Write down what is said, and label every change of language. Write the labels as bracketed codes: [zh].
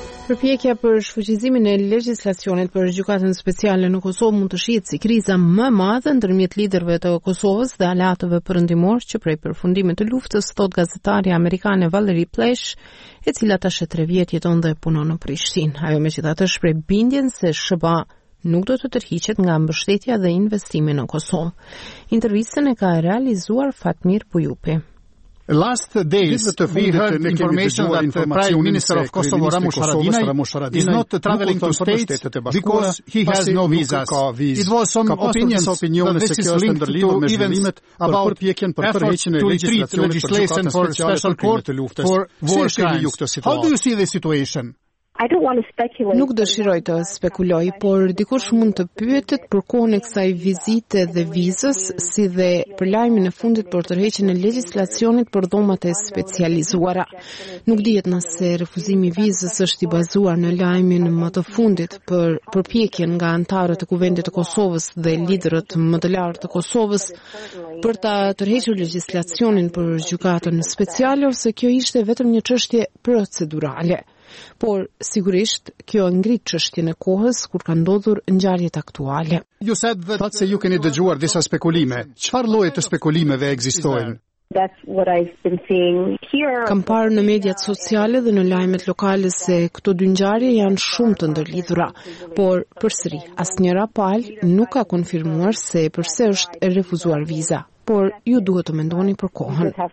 [sq] Përpjekja për shfuqizimin e legjislacionit për gjykatën speciale në Kosovë mund të shihet si kriza më e madhe ndërmjet liderëve të Kosovës dhe alatëve perëndimor që prej përfundimit të luftës, thot gazetarja amerikane Valerie Plesh, e cila tash 3 vjet jeton dhe punon në Prishtinë. Ajo megjithatë shpreh bindjen se SBA nuk do të tërhiqet nga mbështetja dhe investimi në Kosovë. Intervistën e ka realizuar Fatmir Pujupi. [en] Last days, we heard information that the Prime Minister of Kosovo, Ramush Haradinaj, is not traveling to states because he has no visas. It was some opinions that this is linked to events about efforts to retreat legislation for special court for war crimes. How do you see the situation? I don't want to speculate. [sq] Nuk dëshiroj të spekuloj, por dikush mund të pyetet për kohën e kësaj vizite dhe vizës, si dhe për lajmin e fundit për tërheqjen e legjislacionit për dhomat e specializuara. Nuk dihet nëse refuzimi i vizës është i bazuar në lajmin më të fundit për përpjekjen nga anëtarët e Kuvendit të Kosovës dhe liderët më të lartë të Kosovës për ta tërhequr legjislacionin për gjykatën speciale ose kjo ishte vetëm një çështje procedurale. Por, sigurisht, kjo ngrit çështjen e kohës kur ka ndodhur ngjarjet aktuale. [en] You said that you [sq] keni dëgjuar disa spekulime. Çfarë lloje të spekulimeve ekzistojnë? [en] That's what I've been seeing here. [sq] Kam parë në mediat sociale dhe në lajmet lokale se këto dy ngjarje janë shumë të ndërlidhura, por përsëri, asnjëra palë nuk ka konfirmuar se pse është e refuzuar viza, por ju duhet të mendoni për kohën.